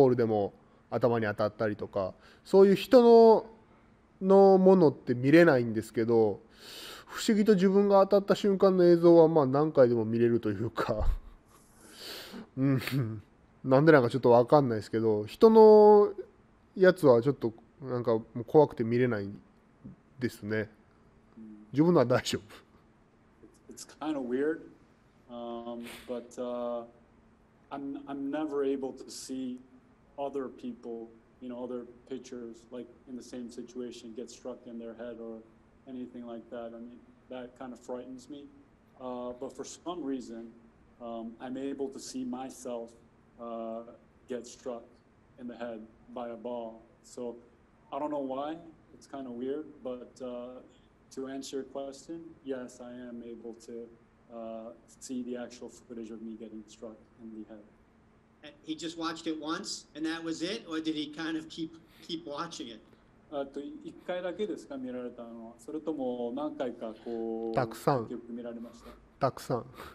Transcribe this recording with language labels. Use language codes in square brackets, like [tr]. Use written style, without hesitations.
[ja] それともやっぱりもうあまりこう怖くて見れないものなんでしょう?僕自身こう、なんだろうな、いろいろやっぱりこう今ネットとかで見てると、勝手にその映像が目に入ったりとかする機会っていうのはあるじゃないですか、その投手のピッチャー返しがじゃあ顔に当たったりとか頭に当たったり、じゃあデッドボールでも頭に当たったりとか、そういう人の のものって見れないんですけど、不思議と自分が当たった瞬間の映像はまあ何回でも見れるというか、なんでなんかちょっとわかんないですけど、人のやつはちょっとなんかもう怖くて見れないですね。自分のは大丈夫。 [en] It's kind of weird, but I'm never able to see other people. You know, other pitchers like in the same situation get struck in their head or anything like that. I mean, that kind of frightens me. But for some reason, I'm able to see myself get struck in the head by a ball. So I don't know why. It's kind of weird. But to answer your question, yes, I am able to see the actual footage of me getting struck in the head. He just watched it once, and that was it? Or did he kind of keep watching it? [ja] 1回だけですか、見られたのは? それとも何回かこう、たくさん。結局見られました。たくさん。